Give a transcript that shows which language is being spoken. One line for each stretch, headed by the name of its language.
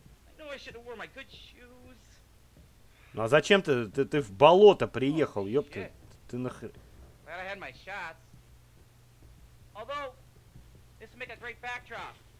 English: I know I should have worn my good shoes.
Russian: Ну а зачем ты? Ты в болото приехал, ёпта. Ты нахер...
English: Glad I had my shots. Although, this will make a great backdrop.